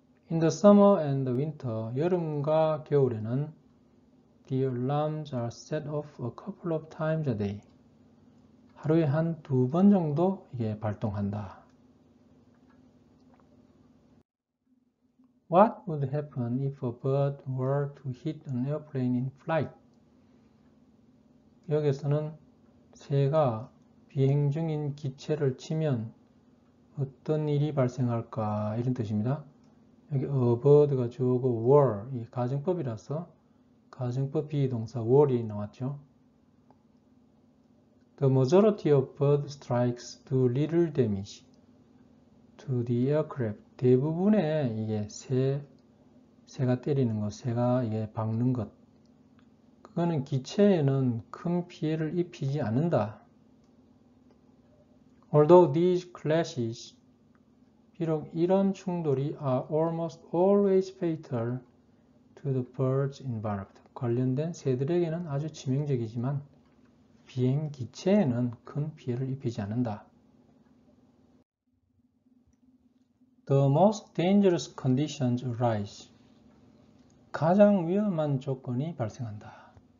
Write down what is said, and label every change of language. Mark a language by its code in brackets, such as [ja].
[en] In the summer and the winter, [ko] 여름과 겨울에는 [en] the alarms are set off a couple of times a day. [ko] 하루에 한두번 정도 이게 발동한다. [en] What would happen if a bird were to hit an airplane in flight? [ko] 여기서는 새가 비행 중인 기체를 치면 어떤 일이 발생할까? 이런 뜻입니다. 여기 a bird가 주어고 were, 이 가정법이라서 가정법 비동사 were이 나왔죠. [en] The majority of bird strikes do little damage to the aircraft. [ko] 대부분의 이게 새가 때리는 것, 새가 이게 박는 것, 그거는 기체에는 큰 피해를 입히지 않는다. [en] Although these clashes, [ko] 비록 이런 충돌이 [en] are almost always fatal to the birds involved. [ko] 관련된 새들에게는 아주 치명적이지만 비행 기체에는 큰 피해를 입히지 않는다. [en] The most dangerous conditions arise. [ko] 가장 위험한 조건이 발생한다.